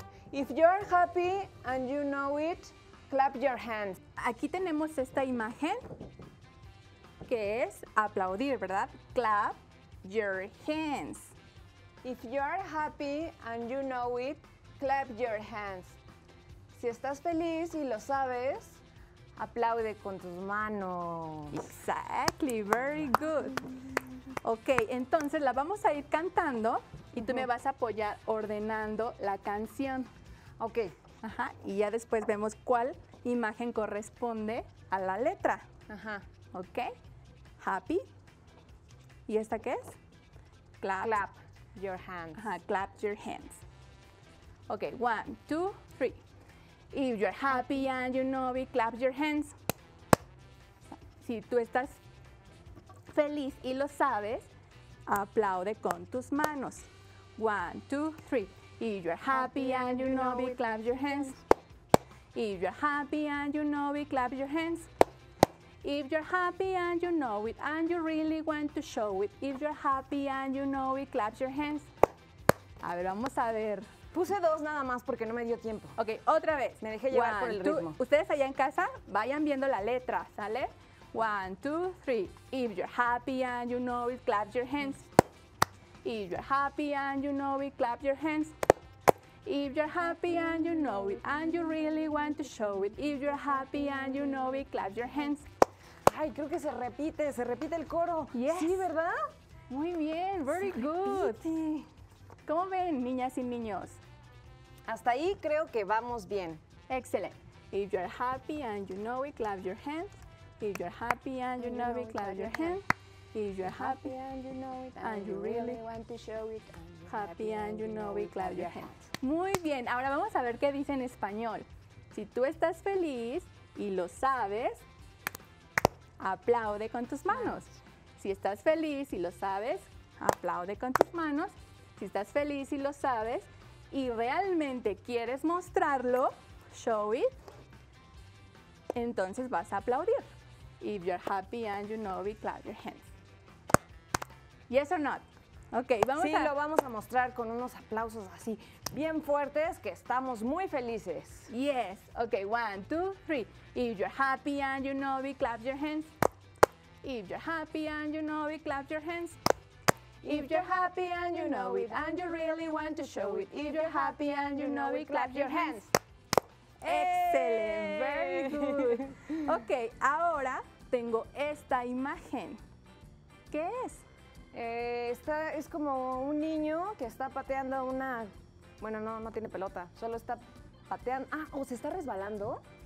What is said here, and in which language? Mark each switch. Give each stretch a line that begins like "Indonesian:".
English: If you're happy and you know it, clap your hands.
Spanish: Aquí tenemos esta imagen que es aplaudir, ¿verdad?
English: Clap your hands. If you're happy and you know it, clap your hands.
Spanish: Si estás feliz y lo sabes, aplaude con tus manos.
English: Exactly, very good.
Spanish: Ok, entonces la vamos a ir cantando y tú me vas a apoyar ordenando la canción. Ok. Ajá, y ya después vemos cuál imagen corresponde a la letra. Ajá. Ok. Happy. ¿Y esta qué es?
English: Clap. Clap your hands. Ajá, clap your hands. Ok, one, two, three. If you're happy and you know it, clap your hands.
Spanish: Si tú estás feliz y lo sabes, aplaude con tus manos.
English: One, two, three. If you're happy and you know it, clap your hands. If you're happy and you know it, clap your hands. If you're happy and you know it, and you really want to show it. If you're happy and you know it, clap your hands.
Spanish: A ver, vamos a ver. Puse dos nada más porque no me dio tiempo. Ok, otra vez. Me dejé llevar por el ritmo. Ustedes allá en casa, vayan viendo la letra, ¿sale?
English: One, two, three. If you're happy and you know it, clap your hands. If you're happy and you know it, clap your hands. If you're happy and you know it, and you really want to show it. If you're happy and you know it, clap your hands.
Spanish: Ay, creo que se repite el coro.
English: Yes.
Spanish: Sí, ¿verdad? Muy bien,
English: very good.
Spanish: ¿Cómo ven, niñas y niños? Hasta ahí creo que vamos bien.
English: Excellent. If you're happy and you know it, clap your hands. If you're happy and you know it, clap your hands. If you're happy and you know it, and you really want to show it, happy and you know it, clap your hands.
Spanish: Muy bien, ahora vamos a ver qué dice en español. Si tú estás feliz y lo sabes, aplaude con tus manos. Si estás feliz y lo sabes, aplaude con tus manos. Si estás feliz y lo sabes y realmente quieres mostrarlo, show it, entonces vas a aplaudir.
English: If you're happy and you know it, clap your hands. Yes or not? Ok,
Spanish: vamos sí, a... Sí, lo vamos a mostrar con unos aplausos así, bien fuertes, que estamos muy felices.
English: Yes. Ok, one, two, three. If you're happy and you know it, clap your hands. If you're happy and you know it, clap your hands. If you're happy and you know it, and you really want to show it. If you're happy and you know it, clap your hands. Excellent. Very good.
Spanish: Ok, ahora tengo esta imagen. ¿Qué es? Es como un niño que está pateando una... Bueno, no, no tiene pelota, solo está pateando... Ah, ¿o se está resbalando?